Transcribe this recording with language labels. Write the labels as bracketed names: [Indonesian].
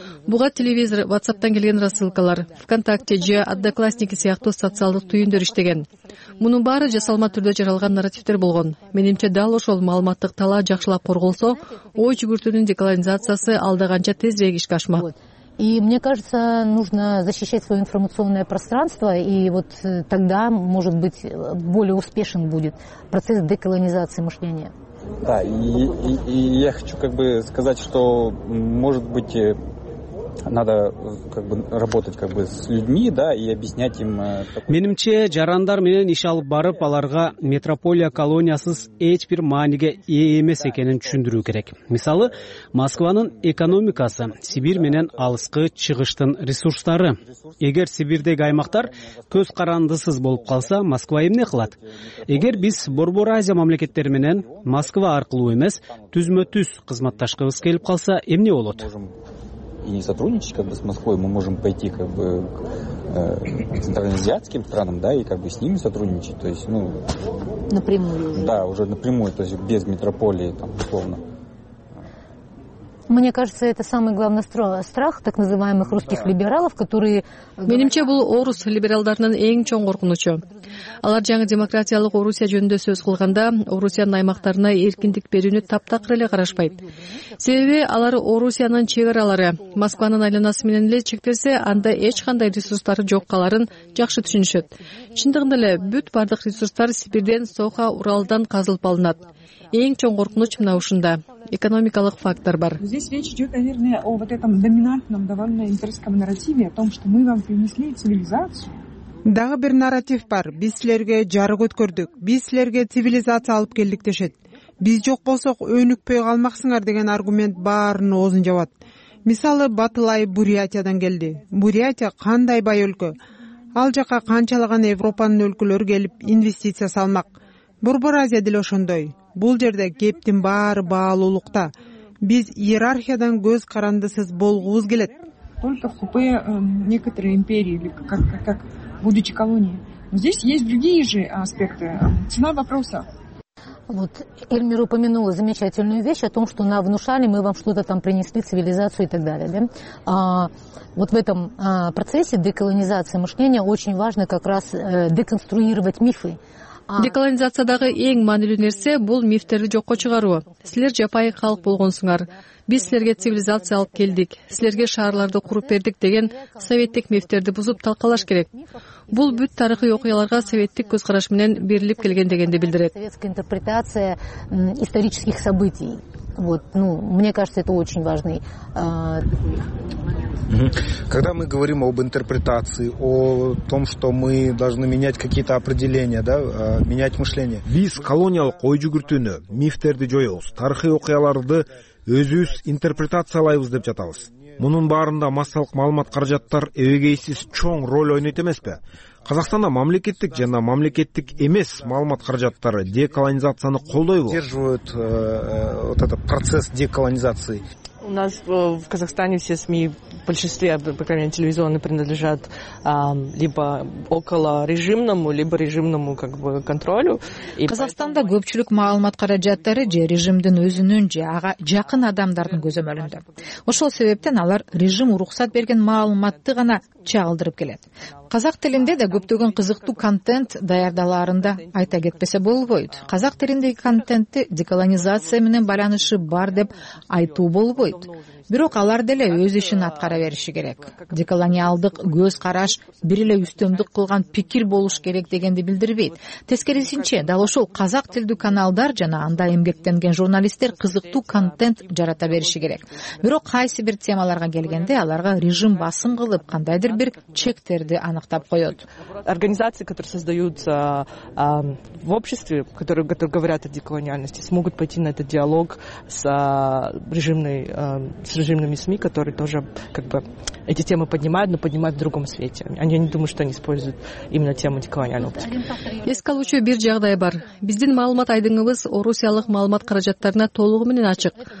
[Kyrgyz] Буга телевизор, WhatsApp'тан келген рассылкалар, ВКонтакте же Одноклассники сыяктуу социалдык түйүндөр иштеген. Мунун баары жасалма түрдө жаралган нарративдер болгон. Менимче дал ошол маалыматтык талаа жакшылап корголсо, ой жүгүртүүнүн деколонизациясы алдыганча тезирээк ишке ашмак. [Russian] И мне кажется, нужно защищать свое информационное пространство, и вот тогда, может быть, более успешен будет процесс деколонизации мышления. Да, и я хочу как бы сказать, что, может быть, надо как бы работать как бы с людьми, да, и объяснять им. [Kyrgyz] Менимче жарандар менен иш алып барып, аларга метрополия колониясыз эч бир мааниге ээ эмес экенин түшүндүрүү керек. Мисалы, Москванын экономикасы, Сибирь менен алыскы чыгыштын ресурстары. Эгер Сибирдеги аймактар көз карандысыз болуп калса, Москва эмне кылат? Эгер биз Борбор Азия мамлекеттери менен Москва аркылуу эмес, түзмө-түз кызматташкыбыз келип калса, эмне болот? [Russian] И не сотрудничать как бы с Москвой, мы можем пойти как бы к центральноазиатским странам, да, и как бы с ними сотрудничать, то есть, ну... Напрямую уже. Да, уже напрямую, то есть без метрополии, там, условно. Мне кажется, это самый главный страх так называемых русских либералов, которые... [Kyrgyz] Менимче бул орус либералдарынын эң чоң коркунучу. Алар жаңы демократиялык Орусия жөнүндө сөз кылганда, Орусиянын аймактарына эркиндик берүүнү таптакыр эле карашпайт. Себеби алар Орусиянын чек аралары, Москванын айланасы менен эле чектелсе, анда эч кандай ресурстары жок каларын жакшы түшүнүшөт. Чындыгында эле бүт бардык ресурстар Сибирден, Соха, Уралдан казылып алынат. Эң чоң коркунуч мына ушунда. Экономикалык фактор бар. [Russian] Здесь речь идет, наверное, о вот этом доминантном, довольно имперском нарративе, о том, что мы вам принесли цивилизацию. [Kyrgyz] Дагы бир нарратив бар. Биз силерге жарык өткөрдүк. Биз силерге цивилизация алып келдик дешет. Биз жок болсок өнүкпөй калмаксыңар деген аргумент баарын оозун жабат. Мисалы, Батылай Бурятиядан келди. Бурятия кандай бай өлкө. Ал жака канчалаган Европанын өлкөлөрү келип инвестиция салмак. Борбор Азия деле ошондой. Бул жерде кептин баары баалуулукта. Биз иерархиядан көз карандысыз болгубуз келет. [Russian] Только в купе некоторые империи или как будучи колонией. Но здесь есть другие же аспекты. Цена вопроса. Вот Эльмир упомянула замечательную вещь о том, что нам внушали, мы вам что-то там принесли, цивилизацию и так далее. Да? Вот в этом процессе деколонизации мышления очень важно как раз деконструировать мифы. [Kyrgyz] Деколонизациядагы эң маанилүү нерсе бул мифтерди жокко чыгаруу. Силер жапайы калк болгонсуңар. Биз силерге цивилизация алып келдик, силерге шаарларды куруп бердик деген советтик мифтерди бузуп талкалаш керек. Бул бүт тарыхый окуяларга советтик көз караш менен берилип келген дегенди билдирет. [Russian] Советская интерпретация исторических событий. Вот, ну, мне кажется, это очень важный. Когда мы говорим об интерпретации, о том, что мы должны менять какие-то определения, да, менять мышление. [Kyrgyz] Биз колониялык ой жүгүртүүнү, мифтерди жоюз, тарыхый окуяларды өзүбүз интерпретациялайбыз деп жатабыз. Мунун баарында массалык маалымат каражаттар эвегейсиз чоң роль ойнойт эмеспи? Казакстанда мамлекеттик жана мамлекеттик эмес маалымат каражаттары деколонизацияны колдойбу? [Russian] Поддерживают вот этот процесс деколонизации. У нас в Казахстане все СМИ, в большинстве, по крайней мере, телевизионные, принадлежат либо около режимному, либо режимному как бы контролю. [Kyrgyz] И Казахстанда көпчүлүк маалымат каражаттары же режимдин өзүнүн же ага жакын адамдардын көзөмөлүндө. Ошол себептен алар режим уруксат берген маалыматты гана чагылдырып келет. Казак тилинде да көптөгөн кызыктуу контент даярдаларында айта кетпесе болбойт. Казак тилиндеги контентти деколонизация менен байланышы бар деп айтуу болбойт. Бирок алар деле өз ишин аткара бериши керек. Деколониалдык көз караш бир эле үстөмдүк кылган пикир болуш керек дегенди билдирбейт. Тескерисинче, дал ошол казак тилдүү каналдар жана анда эмгектенген журналисттер кызыктуу контент жарата бериши керек. Бирок кайсы бир темаларга келгенде аларга режим басым кылып, кандайдыр бир чектерди аныктап коёт. [Russian] Организации, которые создаются в обществе, которые говорят о деколониальности, смогут пойти на этот диалог с режимными СМИ, которые тоже как бы эти темы поднимают, но поднимают в другом свете. Я не думаю, что они используют именно тему деколониальной оптики. [Kyrgyz] Эске алуучу бир жагдай бар. Биздин маалымат айдыңыбыз орусиялык маалымат каражаттарына толугу менен ачык.